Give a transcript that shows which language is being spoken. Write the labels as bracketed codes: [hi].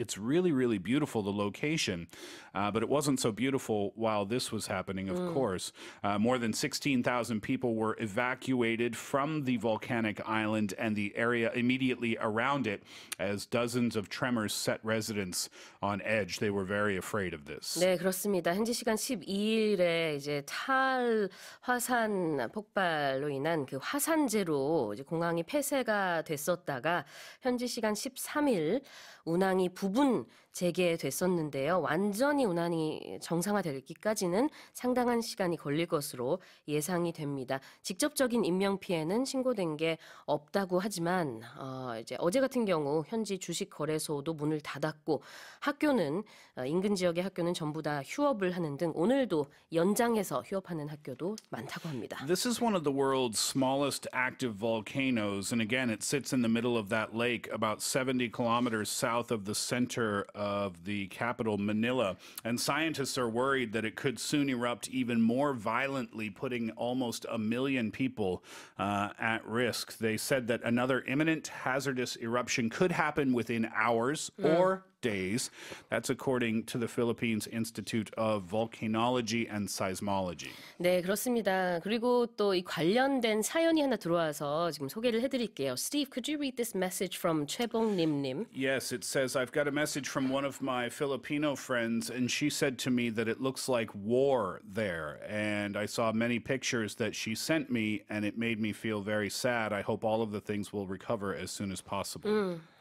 [en] It's really, really beautiful, the location. But it wasn't so beautiful while this was happening, of course. More than 16,000 people were evacuated from the volcanic island and the area immediately around it as dozens of tremors set residents on edge. They were very afraid of this. [ko] 네, 그렇습니다. 현지 시간 12일에 이제 탈 화산 폭발로 인한 그 화산재로 이제 공항이 폐쇄가 됐었다가 현지 시간 13일 운항이 부분 재개됐었는데요. 완전히 운항이 정상화되기까지는 상당한 시간이 걸릴 것으로 예상이 됩니다. 직접적인 인명 피해는 신고된 게 없다고 하지만 이제 어제 같은 경우 현지 주식 거래소도 문을 닫았고 학교는 인근 지역의 학교는 전부 다 휴업을 하는 등 오늘도 연장해서 휴업하는 학교도 많다고 합니다. [en] This is one of the world's smallest active volcanoes and again it sits in the middle of that lake about 70 kilometers south of the center of the capital, Manila. And scientists are worried that it could soon erupt even more violently, putting almost a million people at risk. They said that another imminent hazardous eruption could happen within hours or days. That's according to the Philippines Institute of Volcanology and Seismology. [ko] 네, 그렇습니다. 그리고 또 이 관련된 사연이 하나 들어와서 지금 소개를 해드릴게요. [en] Steve, could you read this message from 최봉님님? Yes, it says, I've got a message from one of my Filipino friends, and she said to me that it looks like war there. And I saw many pictures that she sent me, and it made me feel very sad. I hope all of the things will recover as soon as possible.